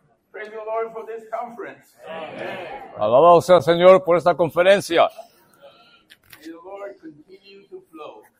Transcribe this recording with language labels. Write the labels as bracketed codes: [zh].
[en] Praise the Lord for this conference. Amen. [es] Alabado sea el Señor por esta conferencia. [en] May the Lord continue to flow.